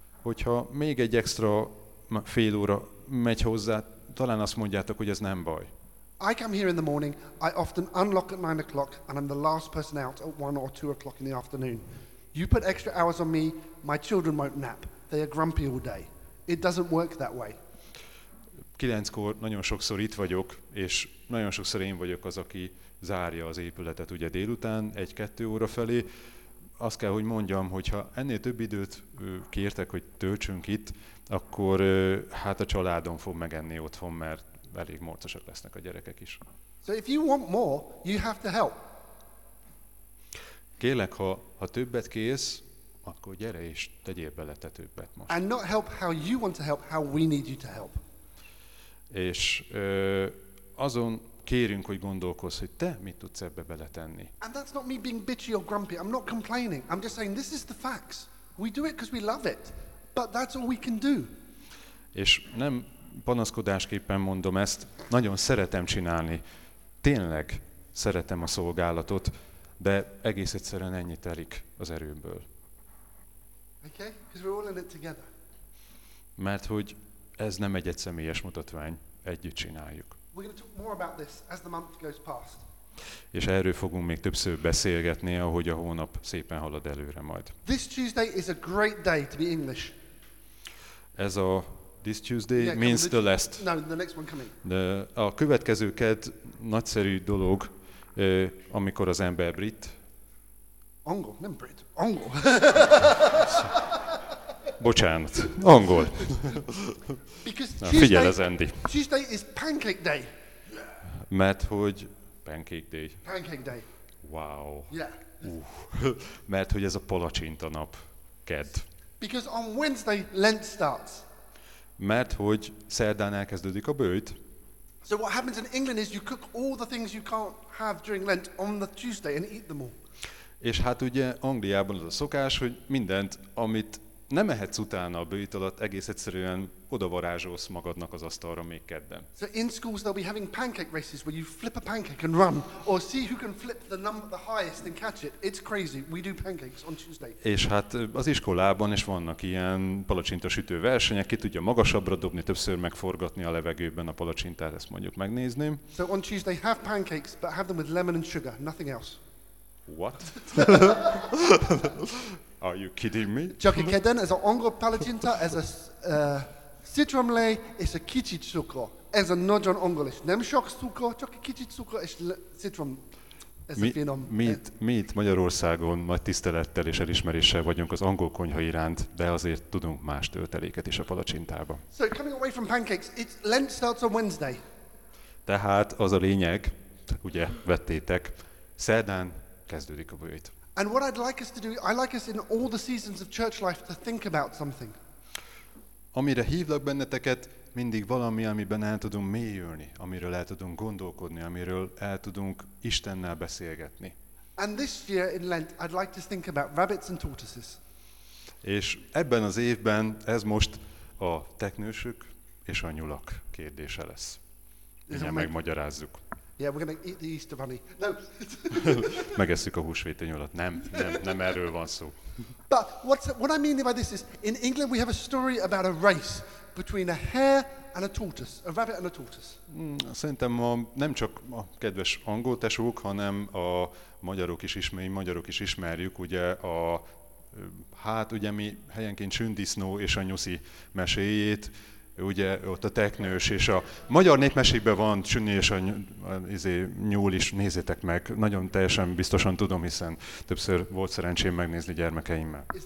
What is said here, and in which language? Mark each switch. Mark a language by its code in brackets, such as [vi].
[hu] Hogyha még egy extra fél óra megy hozzá, talán azt mondjátok, hogy ez nem baj. [en] I come here in the morning, I often unlock at 9 o'clock and I'm the last person out at 1 or 2 o'clock in the afternoon. You put extra hours on me, my children won't nap. They are grumpy all day. It doesn't work that way. [hu] 9-kor nagyon sokszor itt vagyok, és nagyon sokszor én vagyok az, aki zárja az épületet ugye délután, 1-2 óra felé. Azt kell, hogy mondjam, hogyha ennél több időt kértek, hogy töltsünk itt, akkor hát a családom fog megenni otthon, mert elég morcosak lesznek a gyerekek is. [en] So if you want more, you have to help. [hu] Kérlek, ha többet kérsz, akkor gyere és tegyél bele te többet most. [en] And not help how you want to help, how we need you to help. [hu] És azon kérünk, hogy gondolkozz, hogy te mit tudsz ebbe beletenni. [en] And that's not me being bitchy or grumpy. I'm not complaining. I'm just saying this is the facts. We do it because we love it. But that's all we can do. [hu] És nem panaszkodásképpen mondom ezt, nagyon szeretem csinálni. Tényleg szeretem a szolgálatot, de egész egyszerűen ennyi telik az erőmből. [en] Okay, 'cause we're all in it together. [hu] Mert hogy ez nem egy egyszemélyes mutatvány, együtt csináljuk. [en] We're going to talk more about this as the month goes past. [hu] És erről fogunk még többször beszélgetni, ahogy a hónap szépen halad előre majd. [en] This Tuesday is a great day to be English. [hu] Ez a [en] this Tuesday yeah, means the last. No, the next one coming. [hu] De a következő kedd nagyszerű dolog, amikor az ember brit. Angol, nem brit, angol. Bocsánat, angol. [en] Because [hu] na, figyel [en] Tuesday, az Andy. Tuesday is pancake day. [hu] Mert hogy pancake day. [en] Pancake day. Wow. Yeah. [hu] Mert hogy ez a palacsinta nap kedd. [en] Because on Wednesday Lent starts. [hu] Mert hogy szerdán elkezdődik a böjt. [en] So what happens in England is you cook all the things you can't have during Lent on the Tuesday and eat them all. [hu] És hát ugye Angliában az a szokás, hogy mindent, amit nem ehetsz utána a böjt alatt, egész egyszerűen odavarázsolsz magadnak az asztalra még kedden. [en] So in schools they'll be having pancake races where you flip a pancake and run or see who can flip the number the highest and catch it. It's crazy. We do pancakes on Tuesday. [hu] És hát az iskolában is vannak ilyen palacsintasütő versenyek, ki tudja magasabbra dobni, többször megforgatni a levegőben a palacsintát, ezt mondjuk megnézném. [en] So on Tuesday have pancakes, but have them with lemon and sugar, nothing else. What? Are you kidding me? [hu] Csaki kedden, ez a angol palacsinta, ez a citromlej és a kicsit cukor. Ez a nagyon angol is. Nem sok cukor, csak egy kicsit cukor és citrom. Ez a finom. Mi itt Magyarországon nagy tisztelettel és elismeréssel vagyunk az angol konyha iránt, de azért tudunk más tölteléket is a palacsintába. [en] So coming away from pancakes, it's Lent starts on Wednesday. [hu] Tehát az a lényeg, ugye vettétek, szerdán kezdődik a böjt. [en] And what I'd like us to do, I like us in all the seasons of church life to think about something. [hu] Amire hívlak benneteket, mindig valami, amiben el tudunk mélyülni, amiről el tudunk gondolkodni, amiről el tudunk Istennel beszélgetni. [en] And this year in Lent, I'd like to think about rabbits and tortoises. [hu] És ebben az évben ez most a teknősök és a nyulak kérdése lesz. Igen, megmagyarázzuk. [en] Yeah, we're going to eat the Easter bunny. No. [hu] Megesszük a húsvéti nyulat. Nem, nem, nem erről van szó. [en] But what I mean by this is, in England we have a story about a race between a hare and a tortoise, a rabbit and a tortoise. [hu] Szerintem nem csak a kedves angol tesók, hanem a magyarok is ismerjük, ugye a hát ugye mi helyenként csündisznó és a nyuszi meséjét. Ugye ott a teknős és a magyar népmesékben van csünni és a nyúl is, nézzétek meg, nagyon teljesen biztosan tudom, hiszen többször volt szerencsém megnézni gyermekeimmel.